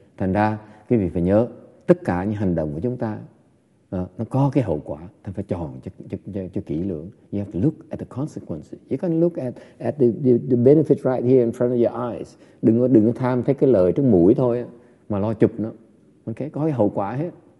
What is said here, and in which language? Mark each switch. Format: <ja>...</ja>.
<vi>Thành ra, quý vị phải nhớ, tất cả những hành động của chúng ta, nó có cái hậu quả, ta phải chọn cho kỹ lưỡng.</vi> <en>You have to look at the consequences. You can look at the benefit right here in front of your eyes.</en> <vi>Đừng có tham thấy cái lợi trước mũi thôi, mà lo chụp nó. Okay? Có cái hậu quả hết.</vi>